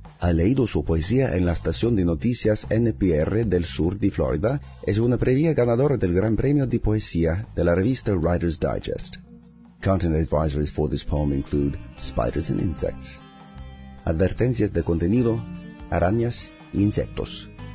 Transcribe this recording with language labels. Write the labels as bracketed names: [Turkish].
[Spanish] Ha leído su poesía en la estación de noticias NPR del sur de Florida. Es una previa ganadora del Gran Premio de Poesía de la revista Writer's Digest. [English] Content advisories for this poem include spiders and insects. [Spanish] Advertencias de contenido, arañas, insectos.